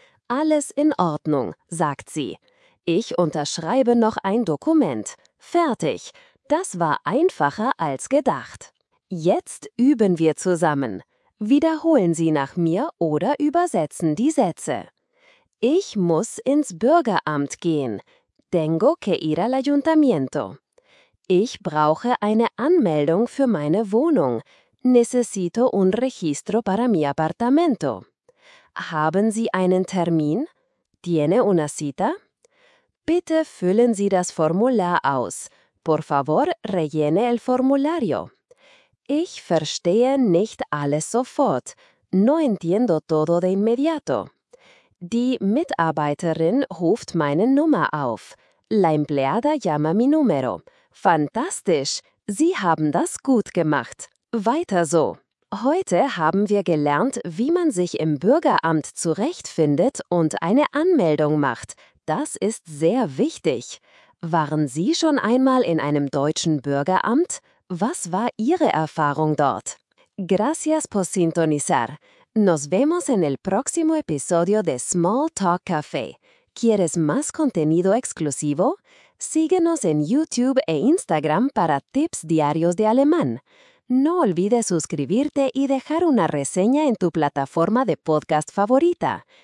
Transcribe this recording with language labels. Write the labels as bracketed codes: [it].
[de] Alles in Ordnung, sagt sie. Ich unterschreibe noch ein Dokument. Fertig. Das war einfacher als gedacht. Jetzt üben wir zusammen. Wiederholen Sie nach mir oder übersetzen die Sätze. Ich muss ins Bürgeramt gehen. [es] Tengo que ir al ayuntamiento. [de] Ich brauche eine Anmeldung für meine Wohnung. [es] Necesito un registro para mi apartamento. [de] Haben Sie einen Termin? [es] ¿Tiene una cita? [de] Bitte füllen Sie das Formular aus. [es] Por favor, rellene el formulario. [de] Ich verstehe nicht alles sofort. [es] No entiendo todo de inmediato. [de] Die Mitarbeiterin ruft meine Nummer auf. [es] La empleada llama mi número. [de] Fantastisch! Sie haben das gut gemacht. Weiter so. Heute haben wir gelernt, wie man sich im Bürgeramt zurechtfindet und eine Anmeldung macht. Das ist sehr wichtig. Waren Sie schon einmal in einem deutschen Bürgeramt? Was war Ihre Erfahrung dort? [es] Gracias por sintonizar. Nos vemos en el próximo episodio de Small Talk Café. ¿Quieres más contenido exclusivo? Síguenos en YouTube e Instagram para tips diarios de alemán. No olvides suscribirte y dejar una reseña en tu plataforma de podcast favorita.